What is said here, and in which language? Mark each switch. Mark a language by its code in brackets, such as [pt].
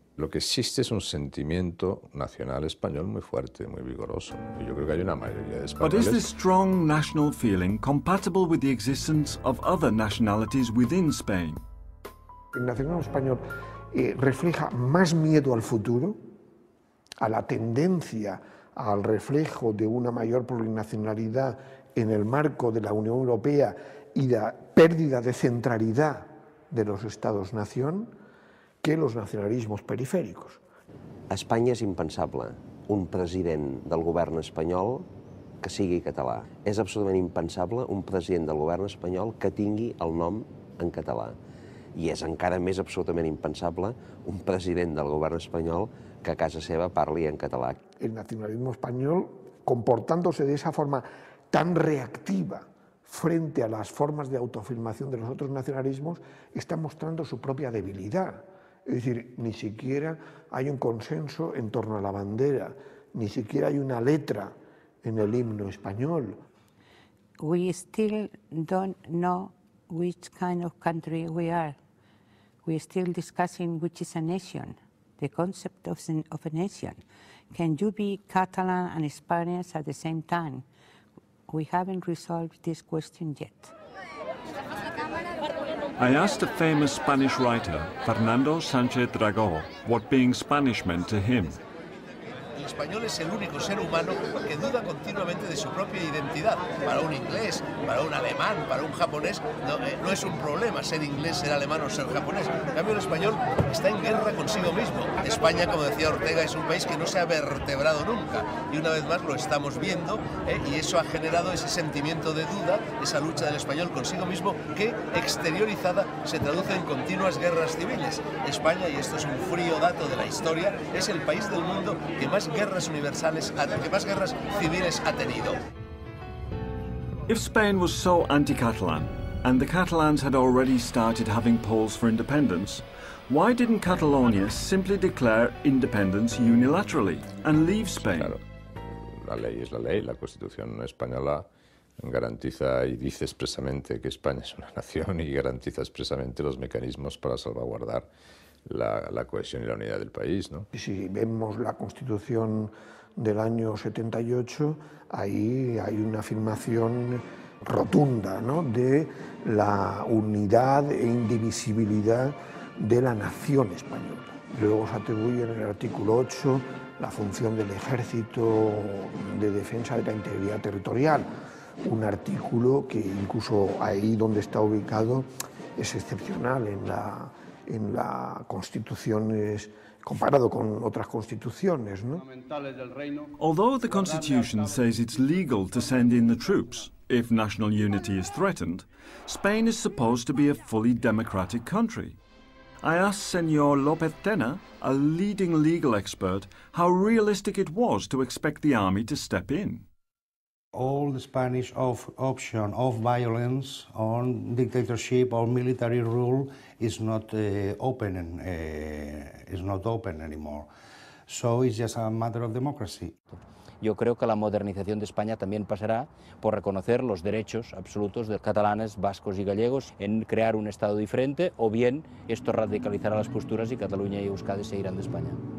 [es] Lo que existe es un sentimiento nacional español muy fuerte, muy vigoroso. Y yo creo que hay una mayoría de españoles. [en] But is this strong national feeling compatible with the existence of other nationalities within Spain? [es] El nacionalismo español refleja más miedo al futuro, a la tendencia al reflejo de una mayor plurinacionalidad en el marco de la Unión Europea y la pérdida de centralidad de los Estados-nación que los nacionalismos periféricos. [ca] A España es impensable un president del govern espanyol que sigui català. És absolutament impensable un president del govern espanyol que tingui el nom en català. I és encara més absolutament impensable un president del govern espanyol que a casa seva parli en català. [es] El nacionalismo español, comportándose de esa forma tan reactiva frente a las formas de autoafirmación de los otros nacionalismos, está mostrando su propia debilidad. Es decir, ni siquiera hay un consenso en torno a la bandera, ni siquiera hay una letra en el himno español. [en] We still don't know which kind of country we are. We still discussing which is a nation, the concept of a nation. Can you be Catalan and Spaniards at the same time? We haven't resolved this question yet. I asked a famous Spanish writer, Fernando Sánchez Dragó, what being Spanish meant to him. [es] El español es el único ser humano que duda continuamente de su propia identidad. Para un inglés, para un alemán, para un japonés, no es un problema ser inglés, ser alemán o ser japonés. En cambio, el español está en guerra consigo mismo. España, como decía Ortega, es un país que no se ha vertebrado nunca. Y una vez más lo estamos viendo, y eso ha generado ese sentimiento de duda, esa lucha del español consigo mismo, que exteriorizada se traduce en continuas guerras civiles. España, y esto es un frío dato de la historia, es el país del mundo que más guerras universales, que más guerras civiles ha tenido. [en] If Spain was so anti-Catalan, and the Catalans had already started having polls for independence, why didn't Catalonia simply declare independence unilaterally and leave Spain? [es] Claro, la ley es la ley, la Constitución española garantiza y dice expresamente que España es una nación y garantiza expresamente los mecanismos para salvaguardar la cohesión y la unidad del país, ¿no? Y si vemos la Constitución del año 78, ahí hay una afirmación rotunda, ¿no?, de la unidad e indivisibilidad de la nación española. Luego se atribuye en el artículo 8 la función del ejército de defensa de la integridad territorial, un artículo que incluso ahí donde está ubicado es excepcional en la Constitución, comparado con otras constituciones, ¿no? [en] Although the Constitution says it's legal to send in the troops if national unity is threatened, Spain is supposed to be a fully democratic country. I asked Señor López Tena, a leading legal expert, how realistic it was to expect the army to step in. All the Spanish option of violence on dictatorship or military rule is not open anymore. So it's just a matter of democracy. [es] Yo creo que la modernización de España también pasará por reconocer los derechos absolutos de catalanes, vascos y gallegos en crear un Estado diferente, o bien esto radicalizará las posturas y Cataluña y Euskadi se irán de España.